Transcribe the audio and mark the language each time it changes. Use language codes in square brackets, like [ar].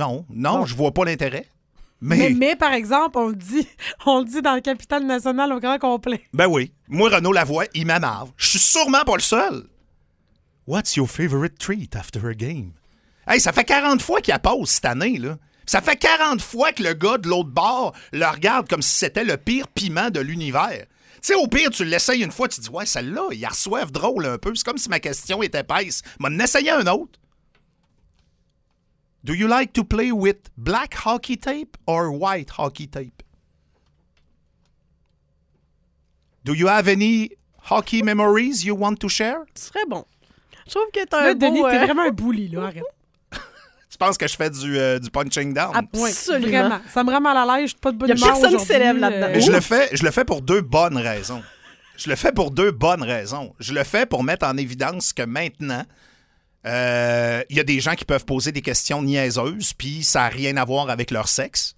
[fr] Non, je vois pas l'intérêt. Mais par exemple, on le dit dans le Capital National au grand complet. Ben oui. Moi, Renaud Lavoie, il m'amarre. Je suis sûrement pas le seul. [en] What's your favorite treat after a game? [fr] Hey, ça fait 40 fois qu'il appose cette année, là. Ça fait 40 fois que le gars de l'autre bord le regarde comme si c'était le pire piment de l'univers. Tu sais, au pire, tu l'essayes une fois, tu te dis, ouais, celle-là, il reçoive drôle un peu. C'est comme si ma question était épaisse. M'en essayer un autre. [en] Do you like to play with black hockey tape or white hockey tape? Do you have any hockey memories you want to share? [fr] Ce serait bon. Je trouve que t'as là, un Denis, beau... Denis, t'es vraiment un bully, là, arrête. Tu penses que je fais du [en] punching down? [fr] Absolument. Vraiment. Ça me rend mal à l'aise, je suis pas de bonne humeur aujourd'hui. Il y a personne qui s'élève là-dedans. Mais je le fais pour deux bonnes raisons. Je le fais pour deux bonnes raisons. Je le fais pour mettre en évidence que maintenant, il y a des gens qui peuvent poser des questions niaiseuses, puis ça n'a rien à voir avec leur sexe.